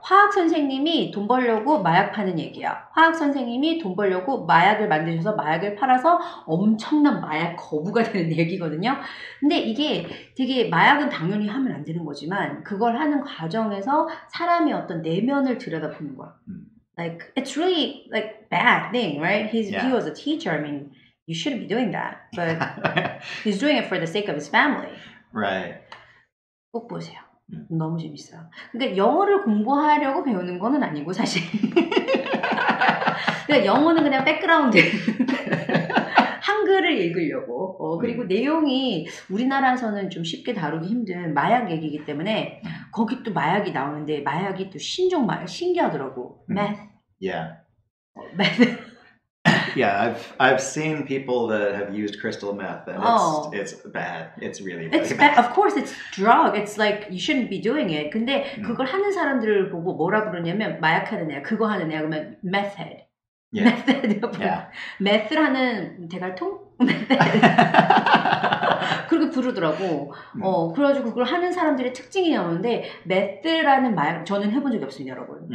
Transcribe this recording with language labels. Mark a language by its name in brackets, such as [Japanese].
[Korean] 화학 선생님이 돈 벌려고 마약 파는 얘기야. 화학 선생님이 돈 벌려고 마약을 만드셔서 마약을 팔아서 엄청난 마약 거부가 되는 얘기거든요. 근데 이게 되게 마약은 당연히 하면 안 되는 거지만 그걸 하는 과정에서 사람의 어떤 내면을 들여다보는 거야. [English] Like, it's really like bad thing, right? He was a teacher. I mean, you shouldn't be doing that. But he's doing it for the sake of his family. Right. [Korean] 꼭 보세요. 너무 재밌어요. 그러니까 영어를 공부하려고 배우는 거는 아니고 사실. 그러니까 영어는 그냥 백그라운드. 한글을 읽으려고. 그리고 내용이 우리나라에서는 좀 쉽게 다루기 힘든 마약 얘기이기 때문에 거기 또 마약이 나오는데 마약이 또 신종 마약 신기하더라고. [English] Meth. Yeah. Meth. Yeah, I've seen people that have used crystal meth, and it's bad. It's really bad. It's bad. Of course, it's drug. It's like you shouldn't be doing it. [Korean] 근데 그걸 하는 사람들을 보고 뭐라 그러냐면 마약하는 애야, 그거 하는 애야 그러면 meth head. [English] Meth head. Yeah. [Korean] Meth라는 대갈통? Meth head. 그렇게 부르더라고. 그래가지고 그걸 하는 사람들의 특징이 나오는데 meth라는 마약 저는 해본 적이 없습니다, 여러분.